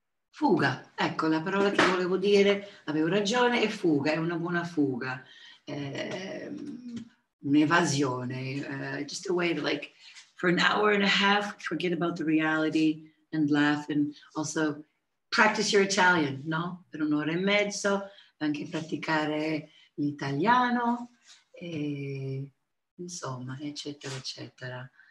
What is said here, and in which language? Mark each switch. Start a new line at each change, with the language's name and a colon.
Italian: Fuga, ecco la parola che volevo dire, avevo ragione, è fuga, è una buona fuga.
English: Un'evasione, just a way to like, for an hour and a half, forget about the reality and laugh and also practice your Italian, no?
Italian: Per un'ora e mezzo, anche praticare l'italiano, e, insomma, eccetera, eccetera.